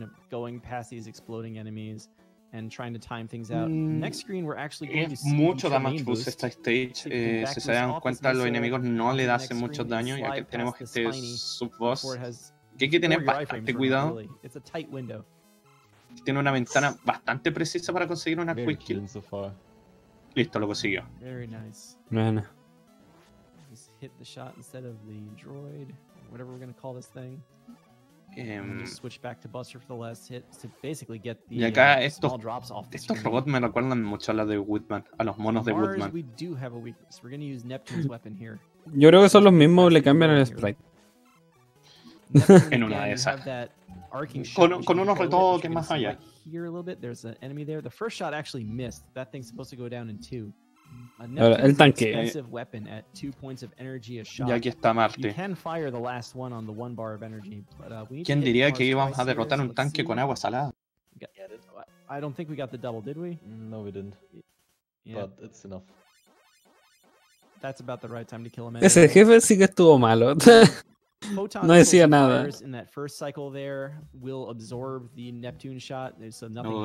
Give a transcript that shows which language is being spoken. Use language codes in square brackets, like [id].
[en] Going past these exploding enemies and trying to time things out. Next screen, we're actually going to see mucho damage boost esta stage. [es] Si se dan cuenta, los enemigos no le hacen mucho daño, ya que tenemos este subboss. Que hay que tener bastante cuidado. [en] It's a tight window. [es] Tiene una ventana bastante precisa para conseguir una quick kill. So listo, lo consiguió. [en] Very nice. [es] Bueno. [en] Just hit the shot instead of the droid, whatever we're gonna call this thing. Just switch back to Buster for the last hit to basically get the small drops off. [es] Estos robots me recuerdan mucho a los de Woodman, a los monos de Woodman. [en] We do have a weakness. We're gonna use Neptune's weapon here. [es] Yo creo que son los mismos, le cambian el sprite. En una de esas. Con unos retoques más allá. [en] Here a little bit. There's an enemy there. The first shot actually missed. That thing's supposed to go down in two. [es] El tanque. [en] Expensive weapon at 2 points of energy a shot. [es] Y aquí está Marte. [en] You can fire the last one on the one bar of energy, but we need. [es] ¿Quién diría que íbamos a derrotar un tanque con agua salada? [en] I don't think we got the double, did we? No, we didn't. Yeah. But it's enough. That's about the right time to kill him. [es] Ese jefe sí que estuvo malo. No decía nada. [en] In that first cycle there will absorb the Neptune shot, so nothing